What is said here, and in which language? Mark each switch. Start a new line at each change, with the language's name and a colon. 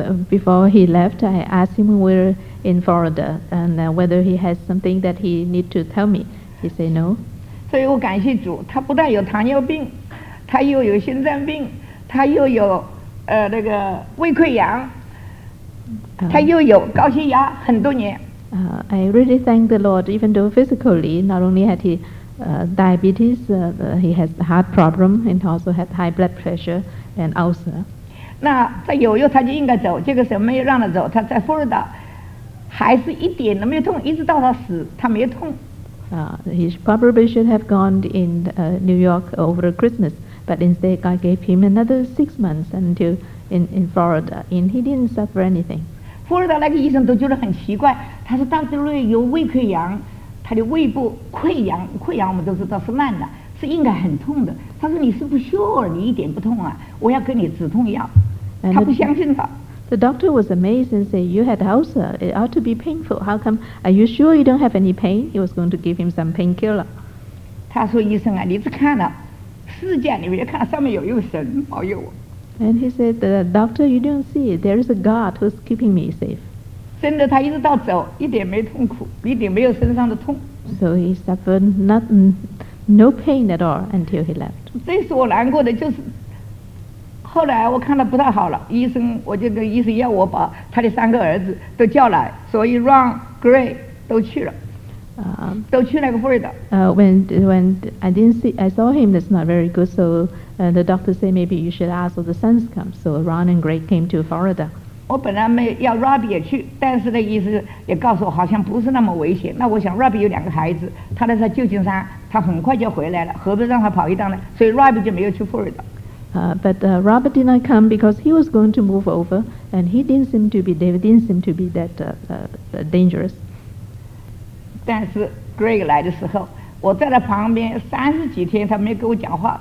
English: Before he left, I asked him when we were in Florida and whether he has something that he needs to tell me. He said no.
Chinese: 所以我感谢主，他不但有糖尿病，他又有心脏病，他又有那个胃溃疡，他又有高血压很多年。
English: I really thank the Lord, even though physically, not only had he diabetes, he had heart problem, and also had high blood pressure and ulcer.
Chinese: 那在纽约他就应该走，这个神没有让他走，他在佛罗里达还是一点都没有痛，一直到他死，他没有痛。 He probably should have gone in New York over Christmas, but instead God gave him another 6 months until in Florida, and he didn't suffer anything. 佛罗里达那个医生都觉得很奇怪，他说到这里有胃溃疡，他的胃部溃疡我们都知道是烂的，是应该很痛的。他说你是不 sure，你一点不痛啊，我要给你止痛药。他不相信他。
English: The doctor was amazed and said, you had ulcer, it ought to be painful. How come, are you sure you don't have any pain? He was going to give him some painkiller.
Chinese: 他说医生啊，你只看了世界里面看上面有一个神保佑我。
English: And he said, the doctor, you don't see it. There is a God who's keeping me safe.
Chinese: 真的他一直到走一点没痛苦，一点没有身上的痛。
English: So he suffered no pain at all until he left.
Chinese: 最使我难过的就是后来我看他不太好了，医生我就跟医生要我把他的三个儿子都叫来，所以 Ron Gray 都去了，都去那个佛罗里达。
English: When I didn't see, I saw him. That's not very good. So the doctor said maybe you should ask for the sons to come. So Ron and Gray came to Florida.
Chinese: 我本来没要 Robbie 也去，但是那医生也告诉我好像不是那么危险。那我想 Robbie 有两个孩子，他在旧金山，他很快就回来了，何不让他跑一趟呢？所以 Robbie 就没有去佛罗里达。
English: But Robert did not come because he was going to move over, and he didn't seem to be, David didn't seem to be that dangerous.
Chinese: 但是 Greg 来的时候，我在他旁边三十几天，他没有跟我讲话。